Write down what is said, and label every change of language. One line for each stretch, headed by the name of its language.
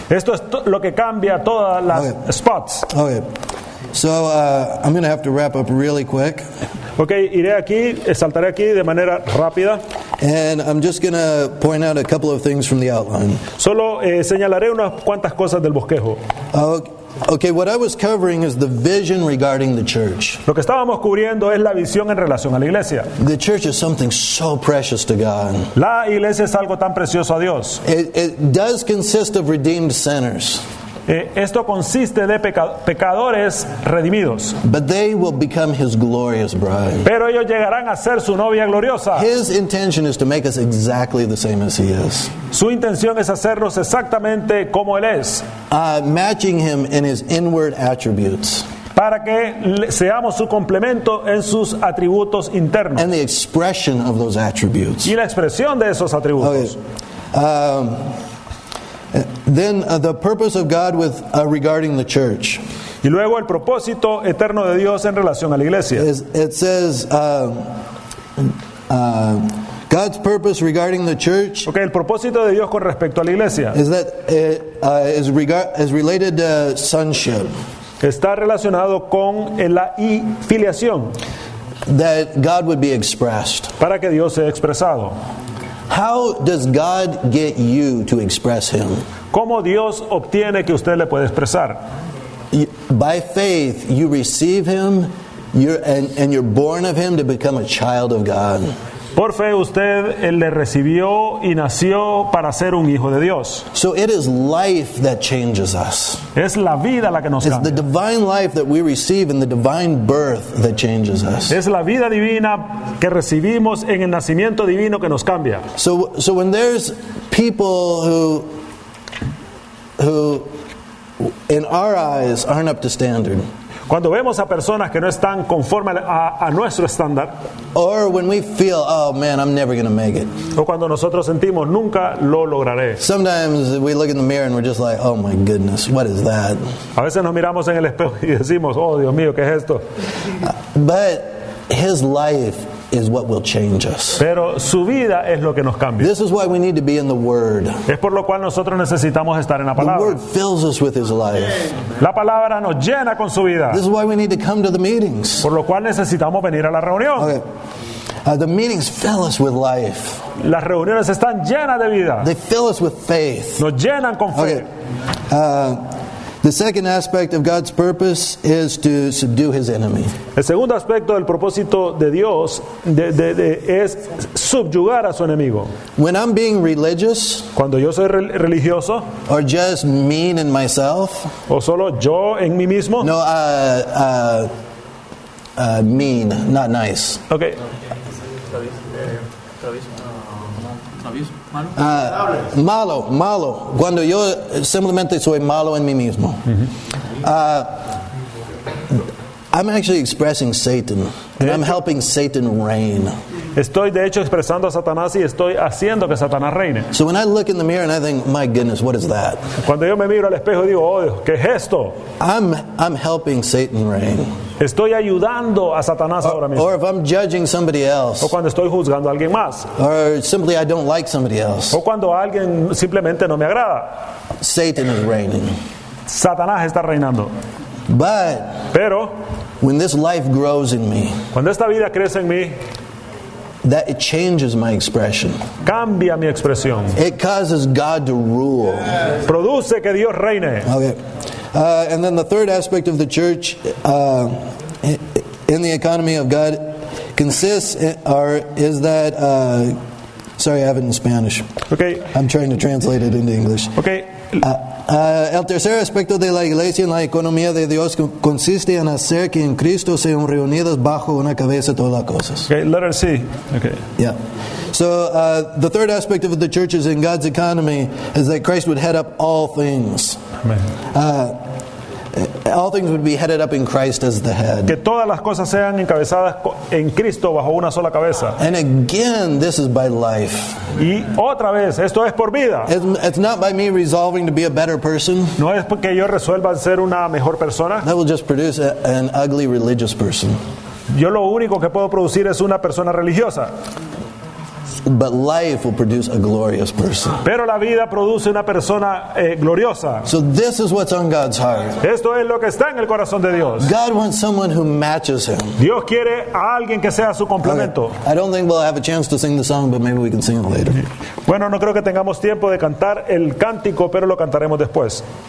Spanish: Esto es lo que cambia todas las spots.
English: Okay. So I'm going to have to wrap up really quick.
Spanish: Okay, iré aquí, saltaré aquí de manera rápida.
English: And I'm just going to point out a couple of things from the outline.
Spanish: Solo señalaré unas cuantas cosas del bosquejo.
English: Okay, what I was covering is the vision regarding the church.
Spanish: Lo que estábamos cubriendo es la visión en relación a la iglesia.
English: The church is something so precious to God.
Spanish: La iglesia es algo tan precioso a Dios.
English: It does consist of redeemed sinners.
Spanish: Esto consiste de pecadores redimidos.
English: But they will become his glorious bride.
Spanish: Pero ellos llegarán a ser su novia gloriosa.
English: His intention is to make us exactly the same as he is.
Spanish: Su intención es hacernos exactamente como él es.
English: Matching him in his inward attributes.
Spanish: Para que seamos su complemento en sus atributos internos.
English: And the expression of those attributes.
Spanish: Y la expresión de esos atributos.
English: Okay. Then the purpose of God with regarding the church.
Spanish: Y luego el propósito eterno de Dios en relación a la iglesia.
English: It says God's purpose regarding the church.
Spanish: Okay, el propósito de Dios con respecto a la iglesia.
English: Is that is related to sonship.
Spanish: Está relacionado con la filiación.
English: That God would be expressed.
Spanish: Para que Dios sea expresado.
English: How does God get you to express him?
Spanish: ¿Cómo Dios obtiene que usted le puede expresar?
English: By faith you receive him, you're born of him to become a child of God.
Spanish: Por fe usted le recibió y nació para ser un hijo de Dios.
English: So it is life that changes us.
Spanish: Es la vida la que nos cambia.
English: It's the divine life that we receive in the divine birth that changes us.
Spanish: Es la vida divina que recibimos en el nacimiento divino que nos cambia.
English: So when there's people who in our eyes aren't up to standard.
Spanish: Cuando vemos a personas que no están conforme a nuestro estándar,
English: or when we feel, oh man, I'm never going to make it.
Spanish: O cuando nosotros sentimos nunca lo lograré.
English: Sometimes we look in the mirror and we're just like, oh my goodness, what is that?
Spanish: A veces nos miramos en el espejo y decimos, oh Dios mío, ¿qué es esto?
English: But his life is what will change us.
Spanish: Pero su vida es lo que nos cambia.
English: This is why we need to be in the Word.
Spanish: Es por lo cual nosotros necesitamos estar en la palabra.
English: The Word fills us with His life.
Spanish: La palabra nos llena con su vida.
English: This is why we need to come to the meetings.
Spanish: Por lo cual necesitamos venir a la reunión.
English: Okay. The meetings fill us with life.
Spanish: Las reuniones están llenas de vida.
English: They fill us with faith.
Spanish: Nos llenan con fe.
English: Okay. The second aspect of God's purpose is to subdue His enemy.
Spanish: El segundo aspecto del propósito de Dios es subyugar a su enemigo.
English: When I'm being religious,
Spanish: cuando yo soy religioso,
English: or just mean in myself,
Spanish: o solo yo en mí mismo,
English: no, mean, not nice. Okay.
Spanish: Malo. Cuando yo simplemente soy malo en mí mismo,
English: I'm actually expressing Satan, and I'm helping Satan reign.
Spanish: Estoy de hecho expresando a Satanás y estoy haciendo que Satanás reine.
English: So when I look in the mirror and I think, my goodness, what is that?
Spanish: Cuando yo me miro al espejo digo, oh Dios, ¿qué es esto?
English: I'm helping Satan reign.
Spanish: Estoy ayudando a Satanás ahora mismo.
English: Or if I'm judging somebody else.
Spanish: O cuando estoy juzgando a alguien más.
English: Or simply I don't like somebody else.
Spanish: O cuando alguien simplemente no me agrada.
English: Satan is reigning.
Spanish: Satanás está reinando.
English: But
Spanish: pero
English: when this life grows in me.
Spanish: Cuando esta vida crece en mí,
English: that it changes my expression.
Spanish: Cambia mi expresión.
English: It causes God to rule.
Spanish: Produce que Dios reine.
English: Okay. And then the third aspect of the church in the economy of God consists or is that sorry, I have it in Spanish. Okay. I'm trying to translate it into English. Okay.
Spanish: El tercer aspecto de la iglesia en la economía de Dios consiste en hacer que en Cristo sean reunidas bajo una cabeza todas las cosas.
English: Okay, let her see. Okay. Yeah. So the third aspect of the church is in God's economy is that Christ would head up all things. Amen. All things would be headed up in Christ as the head.
Spanish: Que todas las cosas sean encabezadas en Cristo bajo una sola cabeza.
English: And again, this is by life.
Spanish: Y otra vez, esto es por vida.
English: It's not by me resolving to be a better person.
Spanish: No es porque yo resuelva ser una mejor persona.
English: That will just produce an ugly religious person.
Spanish: Yo lo único que puedo producir es una persona religiosa.
English: But life will produce a glorious person.
Spanish: Pero la vida produce una persona gloriosa.
English: So this is what's on God's heart.
Spanish: Esto es lo que está en el corazón de Dios.
English: God wants someone who matches him.
Spanish: Dios quiere a alguien que sea su complemento.
English: Okay. I don't think we'll have a chance to sing the song, but maybe we can sing it later.
Spanish: Bueno, no creo que tengamos tiempo de cantar el cántico, pero lo cantaremos después.